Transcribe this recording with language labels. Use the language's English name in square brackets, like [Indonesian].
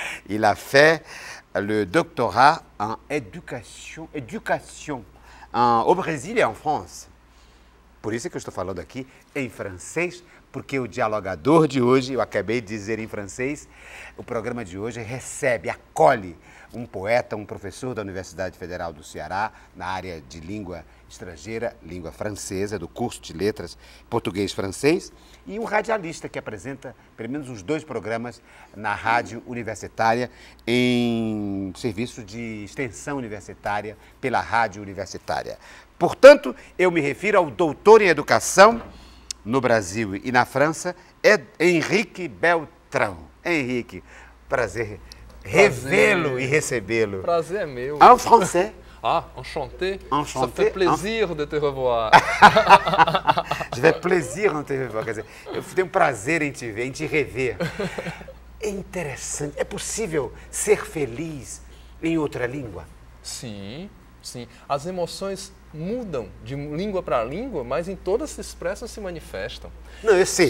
[French] Il a fait le doctorat en éducation au Brésil et en France. [Portuguese] Por isso que eu estou falando aqui em francês, porque o dialogador de hoje, eu acabei de dizer em francês, o programa de hoje recebe, acolhe um poeta, um professor da Universidade Federal do Ceará, na área de língua estrangeira, língua francesa, do curso de letras português-francês, e um radialista que apresenta pelo menos os dois programas na rádio universitária, em serviço de extensão universitária, pela rádio universitária. Portanto, eu me refiro ao doutor em educação no Brasil e na França, é Henrique Beltrão. Henrique, prazer revê-lo e recebê-lo. Prazer é meu. [French] En français. Ah, enchanté. Enchanté. Ça fait plaisir de te revoir. Je fais plaisir de te revoir. [Portuguese] Quer dizer, eu tenho prazer em te ver, em te rever. É interessante. É possível ser feliz em outra língua? Sim, sim. As emoções mudam de língua para língua, mas em todas se expressam e se manifestam. Não, eu sei,